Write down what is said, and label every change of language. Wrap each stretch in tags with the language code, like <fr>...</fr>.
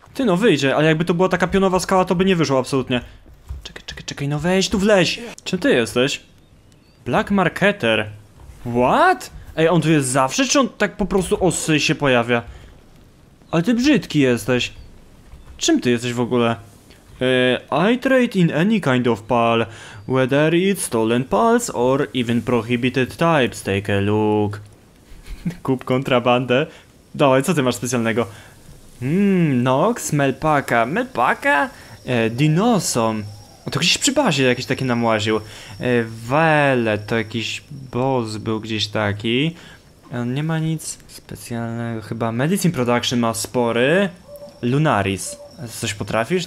<pl>Ty no, wyjdzie, ale jakby to była taka pionowa skała, to by nie wyszło absolutnie. Czekaj, czekaj, czekaj, no weź tu wleź. Czy ty jesteś?</pl> <en>Black Marketer. What?</en> <pl>Ej, on tu jest zawsze, czy on tak po prostu osy się pojawia? Ale ty brzydki jesteś. Czym ty jesteś w ogóle?</pl> <en>I trade in any kind of PAL, whether it's stolen PALs or even prohibited types, take a look.</en> <pl>Kup kontrabandę? Dawaj, co ty masz specjalnego? Nox, Melpaka, Melpaka? Dinosom. O, to gdzieś przy bazie jakiś taki namłaził. Vele, to jakiś boss był gdzieś taki. On nie ma nic specjalnego, chyba Medicine Production ma spory. Lunaris. Coś potrafisz?</pl>